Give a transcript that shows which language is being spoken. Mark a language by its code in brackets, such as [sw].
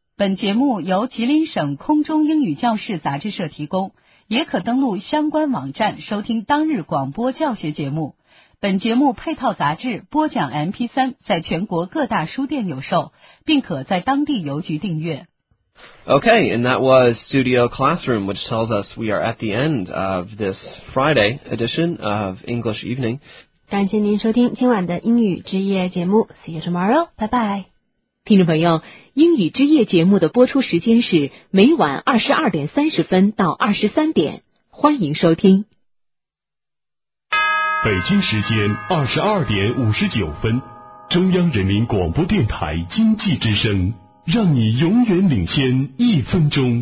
[zh] 本节目由吉林省空中英语教室杂志社提供，也可登录相关网站收听当日广播教学节目。本节目配套杂志播讲 MP3 在全国各大书店有售，并可在当地邮局订阅。 [en] Okay, and that was Studio Classroom, which tells us we are at the end of this Friday edition of English Evening. [zh] 感谢您收听今晚的英语之夜节目 , [en] See you tomorrow, bye bye! [zh] 听众朋友，英语之夜节目的播出时间是每晚22:30到23:00，欢迎收听。北京时间22:59，中央人民广播电台经济之声，让你永远领先一分钟。